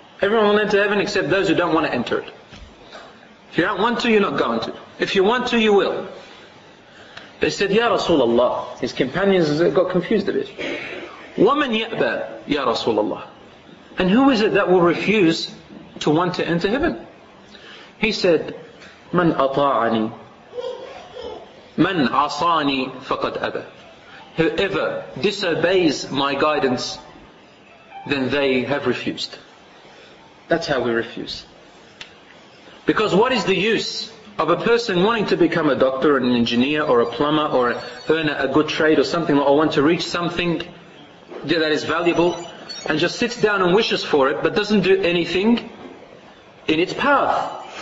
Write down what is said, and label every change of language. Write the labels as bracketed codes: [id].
[en] Everyone will enter heaven except those who don't want to enter it. If you don't want to, you're not going to. If you want to, you will. They said, Ya Rasulullah, his companions got confused a bit. [ar] وَمَنْ يَأْبَى يَا رَسُولَ اللَّهِ. [en] And who is it that will refuse to want to enter heaven? [ar] He said, مَنْ أَطَاعَنِي مَنْ عَصَانِي فَقَدْ أَبَى. [en] Whoever disobeys my guidance, then they have refused. That's how we refuse. Because what is the use of a person wanting to become a doctor or an engineer or a plumber or earn a good trade or something, or want to reach something that is valuable, and just sits down and wishes for it but doesn't do anything in its path?